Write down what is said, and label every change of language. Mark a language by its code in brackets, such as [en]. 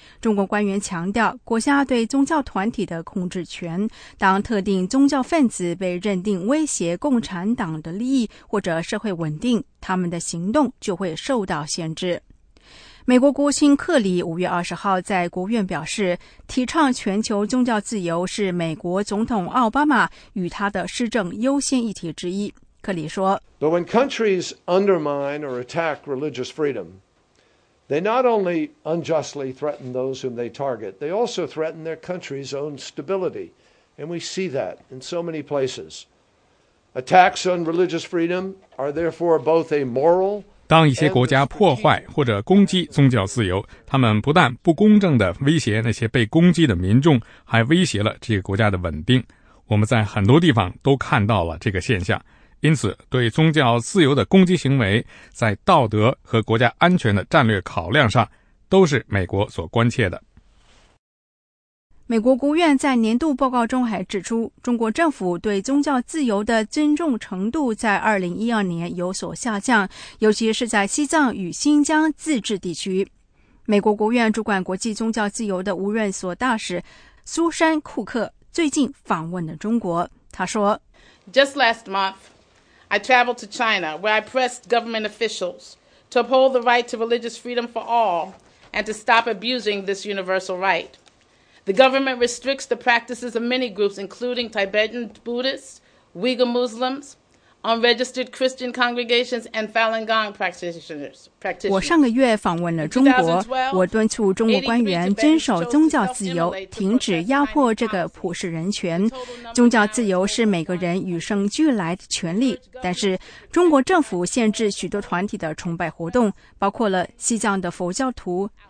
[zh] 中国官员强调国家对宗教团体的控制权，当特定宗教分子被认定威胁共产党的利益或者社会稳定，他们的行动就会受到限制。美国国务卿克里5月20号在国务院表示，提倡全球宗教自由是美国总统奥巴马与他的施政优先议题之一。克里说， [en] But when countries undermine or attack religious freedom, they not only unjustly threaten those whom they target, they also threaten their country's own stability. And we see that in so many places. Attacks on religious freedom are therefore both a moral... [zh] 当一些国家破坏或者攻击宗教自由，他们不但不公正地威胁那些被攻击的民众，还威胁了这个国家的稳定。我们在很多地方都看到了这个现象，因此对宗教自由的攻击行为，在道德和国家安全的战略考量上，都是美国所关切的。美国国务院在年度报告中还指出，中国政府对宗教自由的尊重程度在2012年有所下降，尤其是在西藏与新疆自治地区。美国国务院主管国际宗教自由的无任所大使苏珊·库克最近访问了中国，他说 [en] Just last month, I traveled to China where I pressed government officials to uphold the right to religious freedom for all and to stop abusing this universal right. The government restricts the practices of many groups, including Tibetan Buddhists, Uyghur Muslims, unregistered Christian congregations, and Falun Gong practitioners. [zh] 我上个月访问了中国，我敦促中国官员遵守宗教自由，停止压迫这个普世人权。宗教自由是每个人与生俱来的权利，但是中国政府限制许多团体的崇拜活动，包括了西藏的佛教徒。